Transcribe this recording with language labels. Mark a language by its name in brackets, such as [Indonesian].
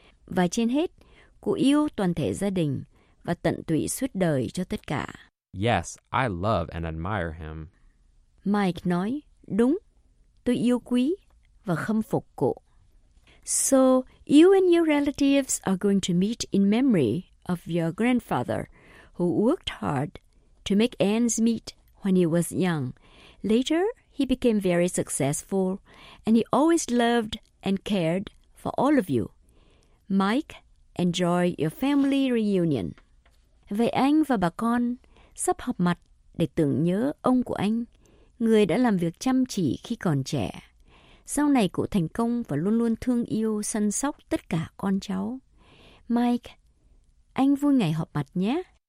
[Vietnamese] Và trên hết, cụ yêu toàn thể gia đình và tận tụy suốt đời cho tất cả. [English] Yes, I love and admire him. [Vietnamese] Mike nói, đúng, tôi yêu quý và khâm phục cụ. [English] So, you and your relatives are going to meet in memory of your grandfather, who worked hard to make ends meet when he was young. Later, he became very successful, and he always loved and cared for all of you. Mike, enjoy your family reunion. [Vietnamese] Vậy anh và bà con sắp họp mặt để tưởng nhớ ông của anh, người đã làm việc chăm chỉ khi còn trẻ. Sau này cụ thành công và luôn luôn thương yêu, săn sóc tất cả con cháu. Mike, anh vui ngày họp mặt nhé.